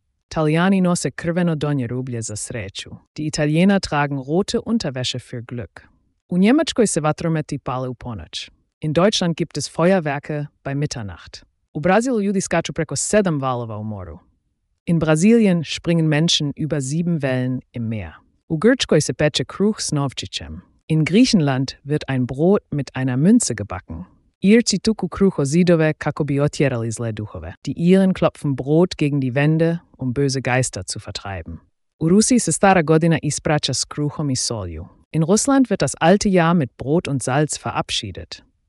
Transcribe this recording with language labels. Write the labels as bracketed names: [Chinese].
[Croatian] Italiani nose crveno donje rublje za sreću. [German] Die Italiener tragen rote Unterwäsche für Glück. [Croatian] U Njemačkoj se vatrometi pale u ponoć. [German] In Deutschland gibt es Feuerwerke bei Mitternacht. [Croatian] U Brasilu ljudi skaču preko 7 valova u moru. [German] In Brasilien springen Menschen über 7 Wellen im Meer. [Croatian] U Grčkoj se peče kruh s novčićem. [German] In Griechenland wird ein Brot mit einer Münze gebacken. [Croatian] Irci tuku kruho zidove kako bi otjerali zle duhove. [German] Die Iren klopfen Brot gegen die Wände, um böse Geister zu vertreiben. [Croatian] U Rusiji se stara godina ispraća s kruhom i solju. [German] In Russland wird das alte Jahr mit Brot und Salz verabschiedet.